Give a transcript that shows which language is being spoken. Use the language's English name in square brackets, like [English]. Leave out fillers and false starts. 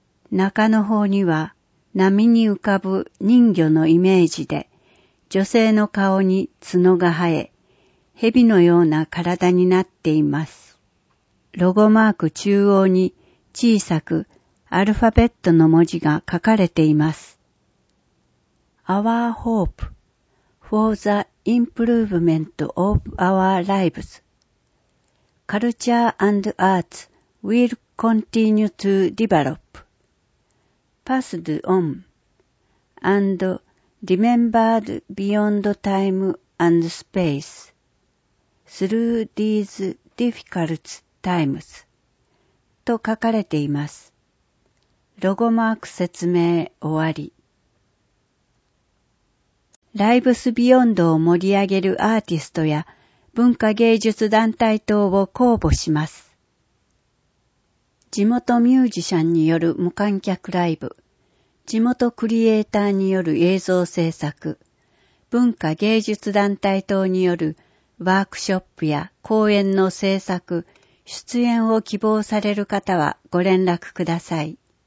[Japanese] 中の方には、波に浮かぶ人魚のイメージで、女性の顔に角が生え、蛇のような体になっています。ロゴマーク中央に小さく、アルファベットの文字が書かれています。 [English] Our hope for the improvement of our lives. Culture and arts will continue to develop. Passed on and remembered beyond time and space. Through these difficult times. [Japanese] と書かれています。ロゴマーク説明終わり。ライブスビヨンドを盛り上げるアーティストや文化芸術団体等を公募します。地元ミュージシャンによる無観客ライブ、地元クリエイターによる映像制作、文化芸術団体等によるワークショップや公演の制作、出演を希望される方はご連絡ください。